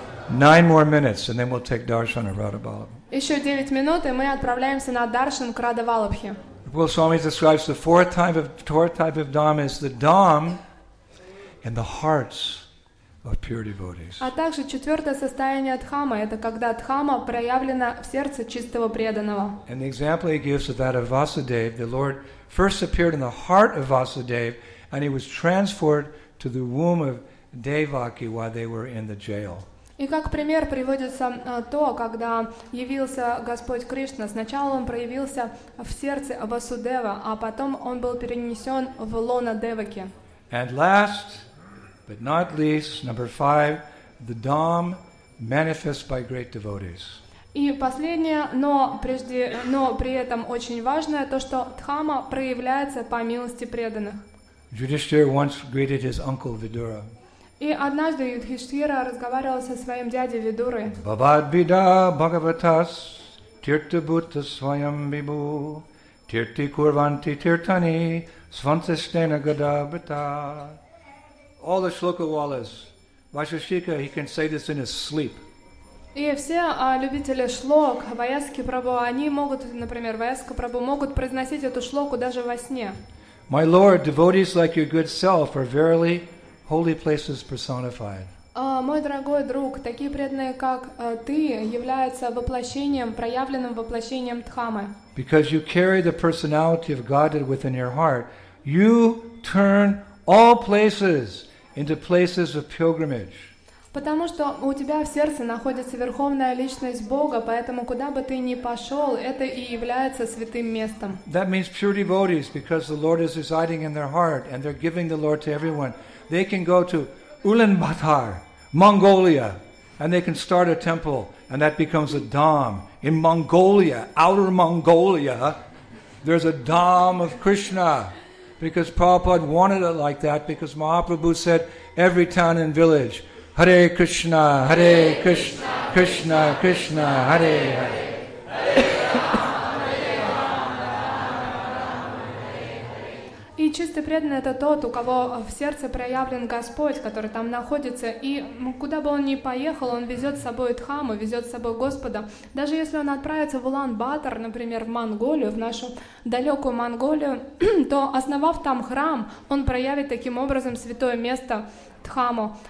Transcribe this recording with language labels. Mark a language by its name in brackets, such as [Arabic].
[English] 9 more minutes and then we'll take darshan at Radha Vallabhi. [Russian] Еще 9 минут и мы отправляемся на даршан к Радха Валлабхи. [English] Well, Swami describes the fourth type of dham is the dham in the hearts of pure devotees. [Russian] А также четвертое состояние дхамы это когда дхама проявлена в сердце чистого преданного. [English] And the example he gives is that of Vasudev. The Lord first appeared in the heart of Vasudev, and he was transferred to the womb of Devaki while they were in the jail. [Russian] И как пример приводится то, когда явился Господь Кришна. Сначала Он проявился в сердце Васудева, а потом Он был перенесен в лоно Деваки. [English] And last, but not least, number 5, the Dham manifests by great devotees. [Russian] И последнее, но при этом очень важное, то, что Дхамма проявляется по милости преданных. [English] Yudhishthira once greeted his uncle Vidura. [Russian] И однажды Юдхиштхира разговаривал со своим дядей Видурой. [Sanskrit] Бхавадбида Бхагаватас Тиртабутта Свайам Бибу Тирти Курванти Тиртани Свантистена Гадабита. [English] All the Шлока Валас. Вайшешика, he can say this in his sleep. [Russian] И все любители шлок, Ваяски Прабху, они могут, например, Ваяска Прабху, могут произносить эту шлоку даже во сне. [English] My Lord, devotees like your good self are verily holy places personified. [Russian] Мой дорогой друг, такие преданные, как ты, являются воплощением, проявленным воплощением Дхаммы. [English] Because you carry the personality of Godhead within your heart, you turn all places into places of pilgrimage. [Russian] Потому что у тебя в сердце находится Верховная Личность Бога, поэтому куда бы ты ни пошел, это и является святым местом. [English] That means pure devotees, because the Lord is residing in their heart, and they're giving the Lord to everyone. They can go to Ulaanbaatar, Mongolia, and they can start a temple, and that becomes a dham. In Mongolia, outer Mongolia, there's a dham of Krishna, because Prabhupada wanted it like that, because Mahaprabhu said, every town and village, Hare Krishna, Hare Krishna, Krishna Krishna, Hare Hare. [Russian] И чистый преданный — это тот, у кого в сердце проявлен Господь, который там находится. И куда бы он ни поехал, он везет с собой Дхамму, везет с собой Господа. Даже если он отправится в Улан-Батор, например, в Монголию, в нашу далекую Монголию, то, основав там храм, он проявит таким образом святое место Дхамму.